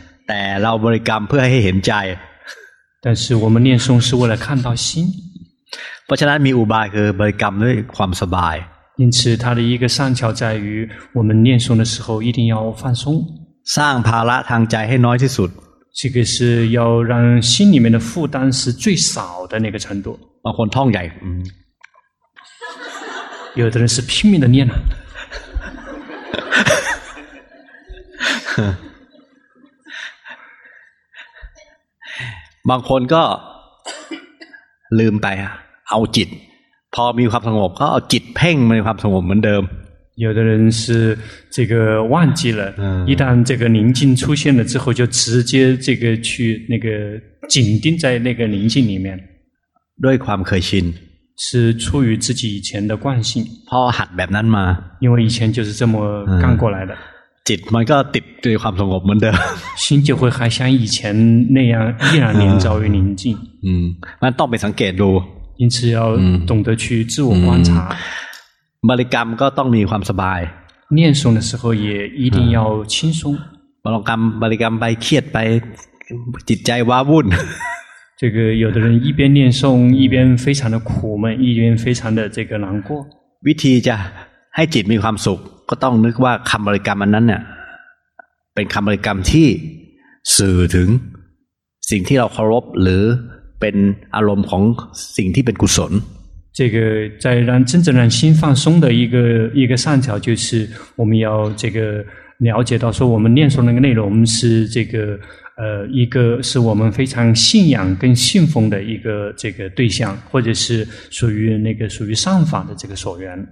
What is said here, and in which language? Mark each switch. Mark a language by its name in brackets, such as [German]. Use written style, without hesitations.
[Thai] แต่เราบริกรรมเพื่อให้เห็นใจ [Chinese] 但是我们念诵是为了看到心 [Thai] เพราะฉะนั้นมีอุบายคือบริกรรมด้วยความสบาย [Chinese] 因此它的一个上窍在于我们念诵的时候一定要放松 [Thai] สร้างภาระทางใจให้น้อยที่สุด [Chinese] 这个是要让心里面的负担是最少的那个程度 [Thai] บางคนท่องใหญ่ [Chinese] 有的人是拼命的念了 [Thai] บางคนก็ลืมไปเอาจิตพอมีความสงบก็เอาจิตเพ่งมีความสงบเหมือนเดิม [Chinese] 有的人是这个忘记了一旦这个宁静出现了之后就直接这个去那个紧盯在那个宁静里面 [Thai] ด้วยความเคยชิน [Chinese] 是出于自己以前的惯性 [Thai] พอหัดแบบนั้นมา [Chinese] 因为以前就是这么干过来的 [Thai] จิตมันก็ติดด้วยความสงบเหมือนเดิม [Chinese] 心就会还像以前那样依然连着于宁静 [Thai] 嗯มันต้องไปสังเกตดู [Chinese] 因此要懂得去自我观察 [Thai] บริกรรมก็ต้องมีความสบาย [Chinese] 念诵的时候也一定要轻松 [Thai] บริกรรมไปเครียดไปจิตใจว้าวุ่น [Chinese] 这个有的人一边念诵一边非常的苦闷一边非常的这个难过 [Thai] วิธีจะให้จิตมีความสุขก็ต้องนึกว่าคำบริกรรมอันนั้นเนี่ยเป็นคำบริกรรมที่สื่อถึงสิ่งที่เราเคารพหรือเป็นอารมณ์ของสิ่งที่เป็นกุศล [Chinese] 这个在让真正让心放松的一个上条，就是我们要这个了解到，说我们念诵那个内容是这个一个是我们非常信仰跟信奉的一个这个对象，或者是属于那个属于上法的这个所缘。